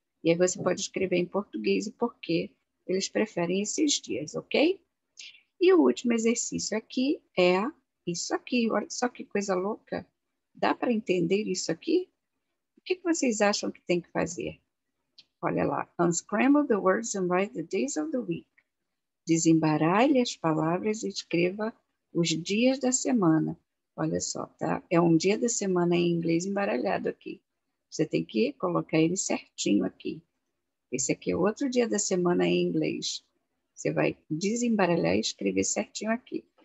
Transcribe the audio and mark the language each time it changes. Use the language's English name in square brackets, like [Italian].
[Portuguese] E aí você pode escrever em português o porquê eles preferem esses dias, ok? E o último exercício aqui é isso aqui. Olha só que coisa louca. Dá para entender isso aqui? O que vocês acham que tem que fazer? Olha lá. [English] Unscramble the words and write the days of the week. [Portuguese] Desembaralhe as palavras e escreva os dias da semana. Olha só, tá? É um dia da semana em inglês embaralhado aqui. Você tem que colocar ele certinho aqui. Esse aqui é outro dia da semana em inglês. Você vai desembaralhar e escrever certinho aqui.